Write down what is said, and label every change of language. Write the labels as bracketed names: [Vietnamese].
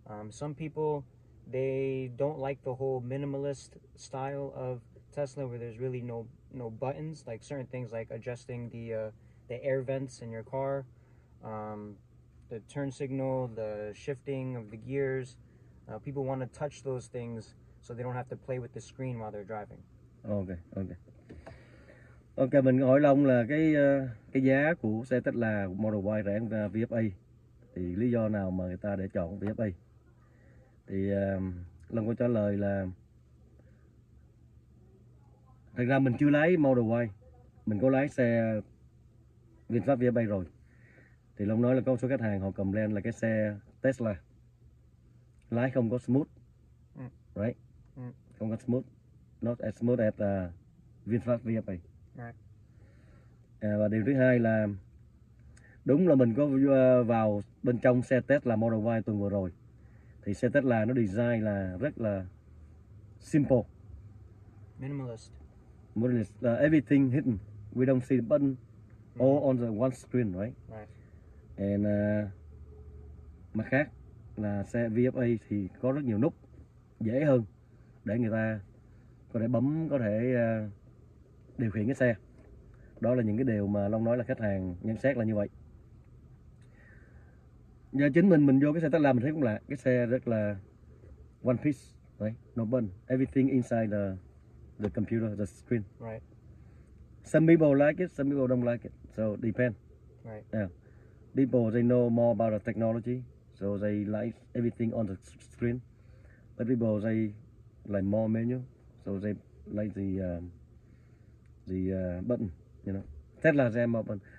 [English] Some people, they don't like the whole minimalist style of Tesla where there's really no buttons, like certain things like adjusting the air vents in your car, the turn signal, the shifting of the gears. People want to touch those things so they don't have to play with the screen while they're driving. [Vietnamese] Okay, mình hỏi ông là cái giá của xe Tesla Model Y rẻ hơn VFA thì lý do nào mà người ta để chọn VFA? Thì Long có trả lời là thật ra mình chưa lái Model Y, mình có lái xe VinFast VFA rồi. Thì Long nói là có số khách hàng họ complain là cái xe Tesla lái không có smooth, right? Không có smooth, [English] not as smooth as VinFast VFA. [Vietnamese] Và điều thứ hai là đúng là mình có vào bên trong xe Tesla Model Y tuần vừa rồi. Thì xe Tesla nó design là rất là simple. [English] Minimalist. Modernist. Everything hidden. We don't see the button. All on the one screen, right? [Vietnamese] And mặt khác là xe VFA thì có rất nhiều nút, dễ hơn để người ta có thể bấm, có thể điều khiển cái xe. Đó là những cái điều mà Long nói là khách hàng nhận xét là như vậy. Giờ chính mình vô cái xe Tesla mình thấy cũng lạ, cái xe rất là [English] one piece, right? No button, everything inside the computer, the screen. Right. Some people like it, some people don't like it, so depend. Right. Yeah. People, they know more about the technology, so they like everything on the screen. But people, they like more menu, so they like the button, you know. Tesla, they have more button.